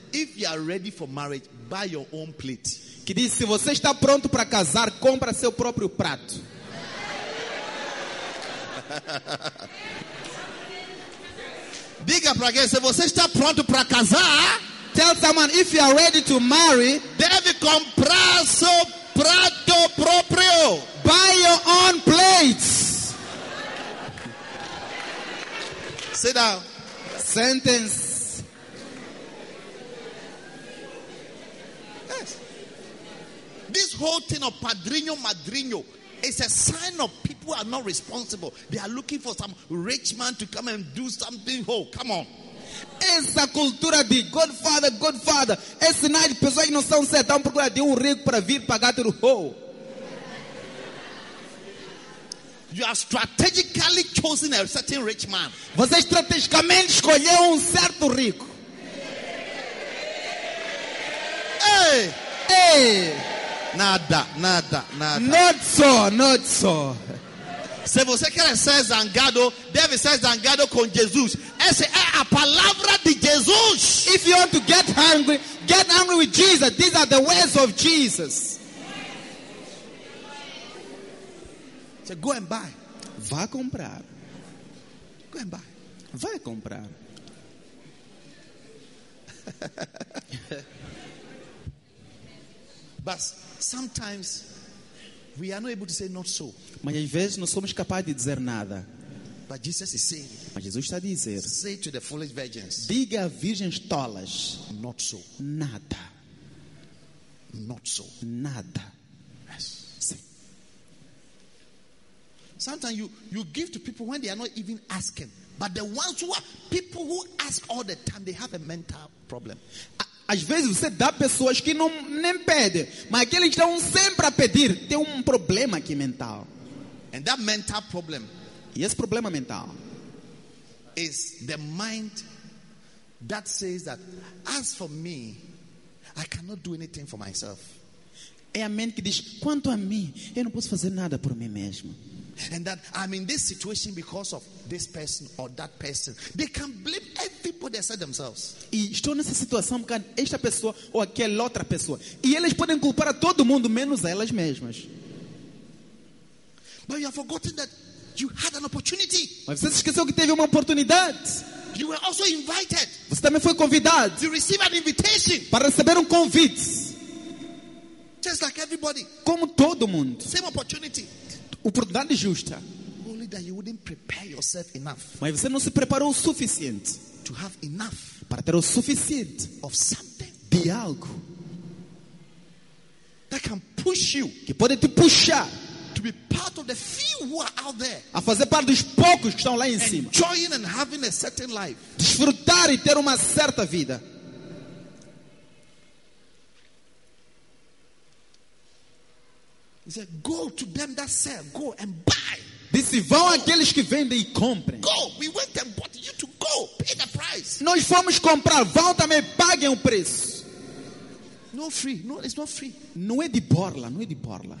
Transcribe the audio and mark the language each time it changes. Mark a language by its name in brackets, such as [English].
[English] If you are ready for marriage, buy your own plate. [Portuguese] Que diz, se você está pronto para casar, compra seu próprio prato. Diga para quem, se você está pronto para casar, [English] tell someone, if you are ready to marry, [Portuguese] deve comprar seu prato próprio. [English] Buy your own plates. Sit down. Sentence. Yes. This whole thing of padrinho, madrinho, it's a sign of people are not responsible. They are looking for some rich man to come and do something. Oh, come on. [Portuguese] Essa cultura de Godfather, Godfather. Esse sinal de pessoas que não são certas. Estão procurando de rico para vir pagar tudo. Oh. [English] You are strategically chosen a certain rich man. [Portuguese] Você estrategicamente escolheu certo rico. Hey. Hey. Nada. [English] Not so. [Portuguese] Se você quer ser zangado, deve ser zangado com Jesus. Essa é a palavra de Jesus. [English] If you want to get angry with Jesus. These are the ways of Jesus. So go and buy. [Portuguese] Vá comprar. [English] Go and buy. [Portuguese] Vá comprar. Mas [English] sometimes we are not able to say not so. [Portuguese] Mas às vezes não somos capazes de dizer nada. [English] But Jesus is saying, [Portuguese] mas Jesus está a dizer. [English] Say to the foolish virgins, [Portuguese] diga a virgens tolas. [English] Not so. [Portuguese] Nada. [English] Not so. [Portuguese] Nada. [English] Yes. [Portuguese] Sim. [English] Sometimes you give to people when they are not even asking. But the ones who are people who ask all the time, they have a mental problem. [Portuguese] Às vezes você dá pessoas que não nem pedem, mas aqueles estão sempre a pedir, tem problema aqui mental. [English] And that mental problem. [Portuguese] E esse problema mental [English] is the mind that says that as for me, I cannot do anything for myself. [Portuguese] É a mente que diz, quanto a mim, eu não posso fazer nada por mim mesmo. [English] And that I'm in this situation because of this person or that person. They can blame everybody except themselves. [Portuguese] E estou nessa situação porque esta pessoa ou aquela outra pessoa. E eles podem culpar a todo mundo menos a elas mesmas. [English] But you have forgotten that you had an opportunity. [Portuguese] Mas você esqueceu que teve uma oportunidade. [English] You were also invited. [Portuguese] Você também foi convidado. [English] You received an invitation. [Portuguese] Para receber convite. [English] Just like everybody. [Portuguese] Como todo mundo. [English] Same opportunity. [Portuguese] Oportunidade justa. [English] Only that you wouldn't prepare yourself enough. [Portuguese] Mas você não se preparou o suficiente. [English] To have enough. [Portuguese] Para ter o suficiente. [English] Of something. [Portuguese] De algo. [English] That can push you. [Portuguese] Que pode te puxar. [English] To be part of the few who are out there. [Portuguese] A fazer parte dos poucos que estão lá em [English] enjoying Enjoying and having a certain life. [Portuguese] Desfrutar e ter uma certa vida. [English] He said, go to them that sell, go and buy. [Portuguese] Disse, vão àqueles que vendem e comprem. [English] Go, we went and bought you to go, pay the price. [Portuguese] Nós fomos comprar, vão também, paguem o preço. [English] No free, no, it's not free. [Portuguese] Não é de borla, não é de borla.